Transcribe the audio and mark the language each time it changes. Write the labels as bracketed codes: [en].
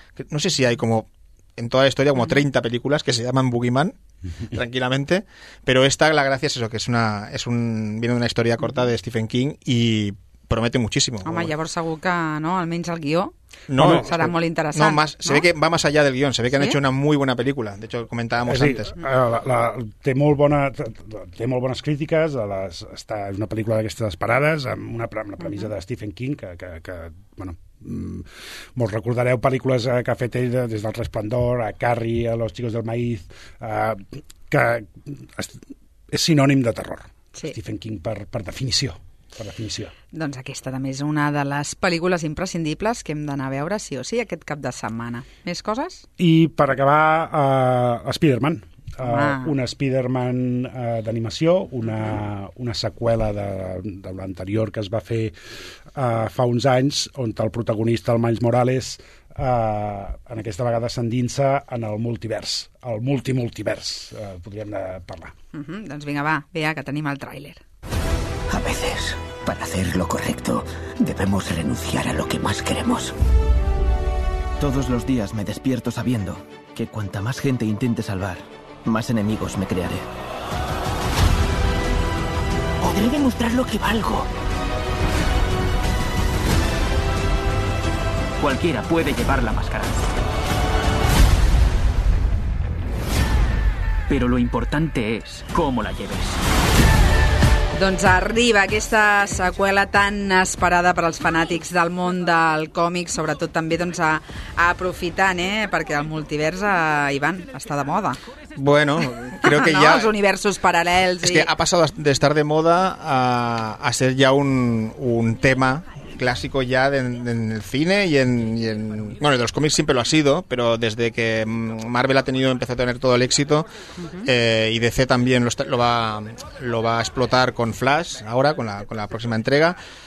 [es] No sé si hay como en toda la historia como 30 películas que se llaman boogeyman tranquilamente, pero esta, la gracia es eso, que viene de una historia corta de Stephen King y promete muchísimo. [ca] Home, llavors segur que, no?, almenys el guió no, serà molt interessant. [es] No, más, se ve que va más allá del guión, se ve que han hecho una muy buena película, de hecho, comentábamos antes. [ca] Té molt bones crítiques, està en una pel·lícula d'aquestes parades, amb una premissa de Stephen King, que molt recordareu pel·lícules que ha fet ell des del Resplendor, a Carrie, a Los Chicos del Maíz, que és sinònim de terror, Stephen King, per definició. Doncs aquesta també és una de les pel·lícules imprescindibles que hem d'anar a veure sí o sí aquest cap de setmana. Més coses? I per acabar, Spider-Man. Un Spider-Man d'animació, una seqüela de l'anterior que es va fer fa uns anys, on el protagonista, el Miles Morales, en aquesta vegada s'endinsa en el multivers, el multimultivers, podríem parlar. Doncs vinga, va, Bea, que tenim el tràiler. [es] A veces, para hacer lo correcto, debemos renunciar a lo que más queremos. Todos los días me despierto sabiendo que cuanta más gente intente salvar, más enemigos me crearé. Podré demostrar lo que valgo. Cualquiera puede llevar la máscara. Pero lo importante es cómo la lleves. [ca] Doncs arriba aquesta seqüela tan esperada per als fanàtics del món del còmic, sobretot també doncs, aprofitant, perquè el multivers, Ivan, està de moda. [es] Bueno, creo que ya... [ca] No, els universos paral·lels... És que ha passat d'estar de moda a ser ja un tema [es] clásico ya en el cine y en, bueno, de los cómics siempre lo ha sido, pero desde que Marvel ha tenido, empezó a tener todo el éxito, y DC también lo va a explotar con Flash ahora, con la próxima entrega.